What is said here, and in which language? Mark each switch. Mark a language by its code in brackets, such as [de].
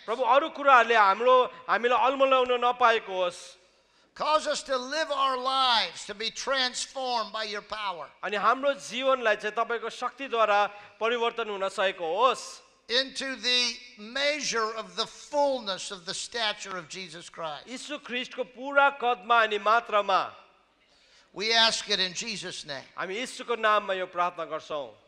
[ne] प्रभु अरू कुराहरूले हाम्रो हामीलाई अलमलाउन नपाएको होस् [en] cause us to live our lives to be transformed by your power [ne] अनि हाम्रो जीवनलाई चाहिँ तपाईको शक्तिद्वारा परिवर्तन हुन सकेको होस् [en] into the measure of the fullness of the stature of Jesus Christ [ne] येशू ख्रीष्टको पूरा कदमा अनि मात्रामा [en] We ask it in Jesus' name. [ne] हामी येशूको नाममा यो प्रार्थना गर्छौं.